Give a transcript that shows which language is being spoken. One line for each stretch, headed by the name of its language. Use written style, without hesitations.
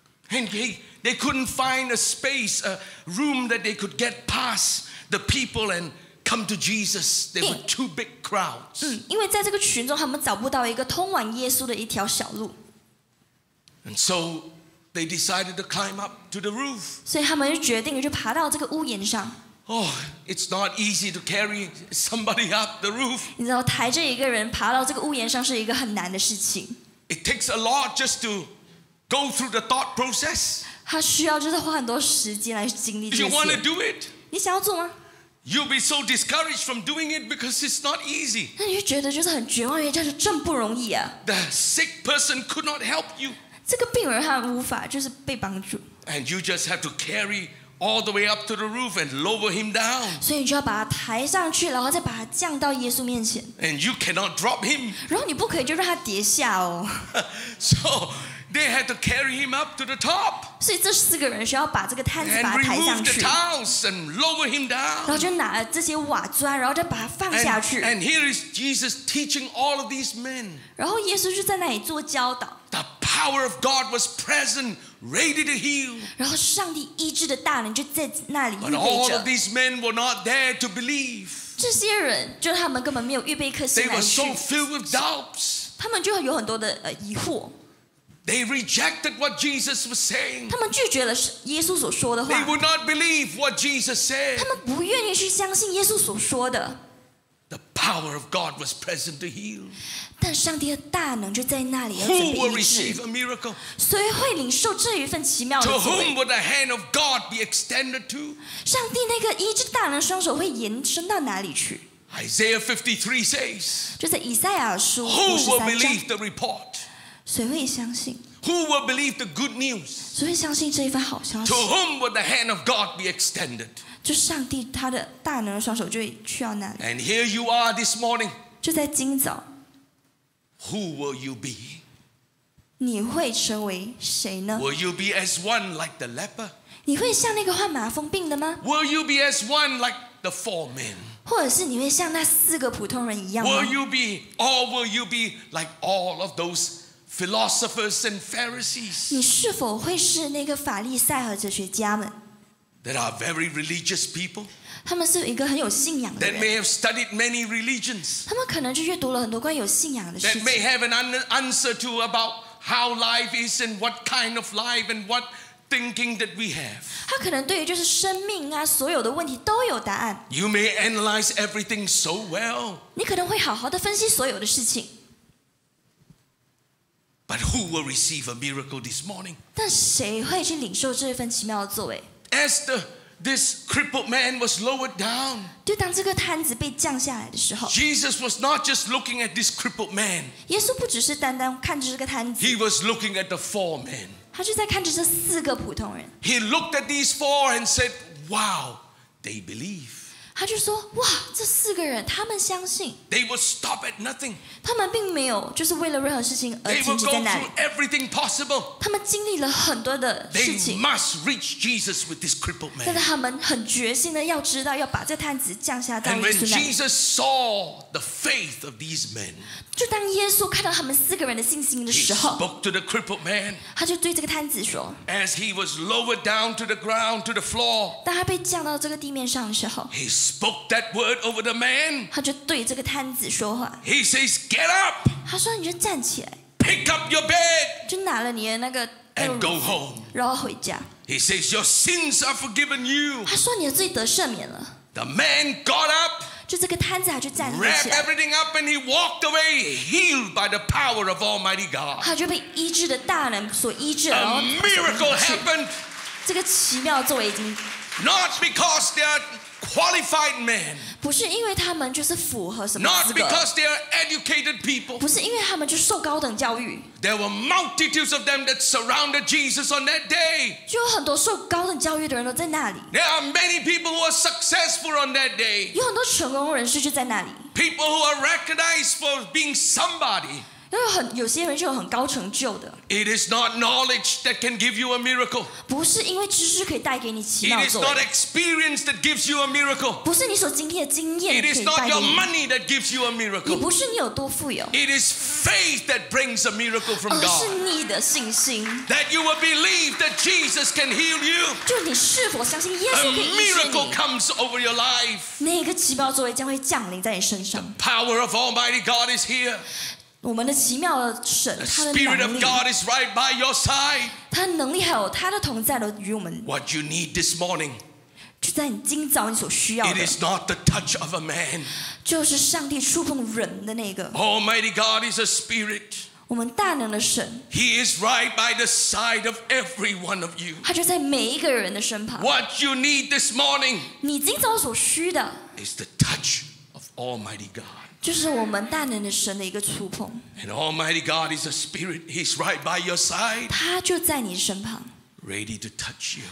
English: And they couldn't find a space, a room that they could get past the people and. Come to Jesus. They were two big crowds.
Chinese: 因为在这个群中，他们找不到一个通往耶稣的一条小路。
English: And so they decided to climb up to the roof.
Chinese: 所以他们就决定就爬到这个屋檐上。
English: Oh, it's not easy to carry somebody up the roof.
Chinese: 你知道抬着一个人爬到这个屋檐上是一个很难的事情。
English: It takes a lot just to go through the thought process.
Chinese: 他需要就是花很多时间来经历这些。
English: You want to do it?
Chinese: 你想要做吗？
English: You'll be so discouraged from doing it because it's not easy.
Chinese: 那你就觉得就是很绝望，因为这真不容易啊。
English: The sick person could not help you.
Chinese: 这个病人他无法就是被帮助。
English: And you just have to carry all the way up to the roof and lower him down.
Chinese: 所以你就要把他抬上去，然后再把他降到耶稣面前。
English: And you cannot drop him.
Chinese: 然后你不可以就让他跌下哦。
English: So they had to carry him up to the top.
Chinese: 所以这四个人需要把这个摊子把他抬上去。
English: And remove the tiles and lower him down.
Chinese: 然后就拿了这些瓦砖，然后再把他放下去。
English: And here is Jesus teaching all of these men.
Chinese: 然后耶稣就在那里做教导。
English: The power of God was present, ready to heal.
Chinese: 然后上帝医治的大能就在那里预备
English: 着。But all of these men were not there to believe.
Chinese: 这些人就他们根本没有预备一颗心来去。
English: They were so filled with doubts.
Chinese: 他们就有很多的疑惑。
English: They rejected what Jesus was saying.
Chinese: 他们拒绝了耶稣所说的话。
English: They would not believe what Jesus said.
Chinese: 他们不愿意去相信耶稣所说的。
English: The power of God was present to heal.
Chinese: 但上帝的大能就在那里
English: ，Who will receive a miracle?
Chinese: 谁会领受这一份奇妙的
English: ？To whom would the hand of God be extended to?
Chinese: 上帝那个医治大能双手会延伸到哪里去？
English: Isaiah 53 says.
Chinese: 就在以赛亚书五十三章。
English: Who will believe the report?
Chinese: 谁会相信
English: ？Who will believe the good news？
Chinese: 谁会相信这一份好消息
English: ？To whom will the hand of God be extended？
Chinese: 就上帝他的大能的双手就去到那里。
English: And here you are this morning。
Chinese: 就在今早。
English: Who will you be？
Chinese: 你会成为谁呢
English: ？Will you be as one like the leper？
Chinese: 你会像那个患麻风病的吗
English: ？Will you be as one like the four men？
Chinese: 或者是你会像那四个普通人一样吗
English: ？Will you be or will you be like all of those？ philosophers and Pharisees?
Chinese: 你是否会是那个法利赛和哲学家们？
English: That are very religious people.
Chinese: 他们是一个很有信仰的人。
English: That may have studied many religions.
Chinese: 他们可能就阅读了很多关于有信仰的事情。
English: That may have an answer to about how life is and what kind of life and what thinking that we have.
Chinese: 他可能对于就是生命啊，所有的问题都有答案。
English: You may analyze everything so well.
Chinese: 你可能会好好的分析所有的事情。
English: But who will receive a miracle this morning?
Chinese: 但谁会去领受这份奇妙的作为？
English: As this crippled man was lowered down,
Chinese: 就当这个摊子被降下来的时候，
English: Jesus was not just looking at this crippled man.
Chinese: 耶稣不只是单单看着这个摊子，
English: He was looking at the four men.
Chinese: 他就在看着这四个普通人。
English: He looked at these four and said, "Wow, they believe."
Chinese: 他就说，哇，这四个人，他们相信。
English: They would stop at nothing.
Chinese: 他们并没有就是为了任何事情而停止在那里。
English: They would go through everything possible.
Chinese: 他们经历了很多的事情。
English: They must reach Jesus with this crippled man.
Chinese: 但是他们很决心的要知道，要把这摊子降下到耶稣那里。
English: And when Jesus saw the faith of these men,
Chinese: 就当耶稣看到他们四个人的信心的时候，
English: He spoke to the crippled man.
Chinese: 他就对这个摊子说，
English: As he was lowered down to the ground, to the floor,
Chinese: 当他被降到这个地面上的时候，
English: He spoke that word over the man.
Chinese: 他就对这个摊子说话。
English: He says, "Get up."
Chinese: 他说你就站起来。
English: Pick up your bed.
Chinese: 就拿了你的那个。
English: And go home.
Chinese: 然后回家。
English: He says, "Your sins are forgiven you."
Chinese: 他说你的罪得赦免了。
English: The man got up.
Chinese: 就这个摊子他就站起来。
English: Wrapped everything up and he walked away, healed by the power of Almighty God.
Chinese: 他就被医治的大能所医治了。
English: A miracle happened.
Chinese: 这个奇妙作为已经。
English: Not because they are qualified men.
Chinese: 不是因为他们就是符合什么资格。
English: Not because they are educated people.
Chinese: 不是因为他们就受高等教育。
English: There were multitudes of them that surrounded Jesus on that day.
Chinese: 就有很多受高等教育的人都在那里。
English: There are many people who are successful on that day.
Chinese: 有很多成功人士就在那里。
English: People who are recognized for being somebody.
Chinese: 有些人就有很高成就的。
English: It is not knowledge that can give you a miracle.
Chinese: 不是因为知识可以带给你奇妙作为。
English: It is not experience that gives you a miracle.
Chinese: 不是你所经历的经验可以带给你。
English: It is not your money that gives you a miracle.
Chinese: 你不是你有多富有。
English: It is faith that brings a miracle from God.
Chinese: 而是你的信心。
English: That you will believe that Jesus can heal you.
Chinese: 就你是否相信耶稣可以医治你。
English: A miracle comes over your life.
Chinese: 那个奇妙作为将会降临在你身上。
English: The power of Almighty God is here.
Chinese: 我们的奇妙的神，他的能力。
English: The Spirit of God is right by your side.
Chinese: 他的能力还有他的同在都与我们。
English: What you need this morning?
Chinese: 就在你今早你所需要的。
English: It is not the touch of a man.
Chinese: 就是上帝触碰人的那个。
English: Almighty God is a Spirit.
Chinese: 我们大能的神。
English: He is right by the side of every one of you.
Chinese: 他就在每一个人的身旁。
English: What you need this morning?
Chinese: 你今早所需的。
English: Is the touch of Almighty God.
Chinese: 就是我们大能的神的一个触碰。
English: And Almighty God is a Spirit. He's right by your side.
Chinese: 他就在你身旁。
English: Ready to touch you.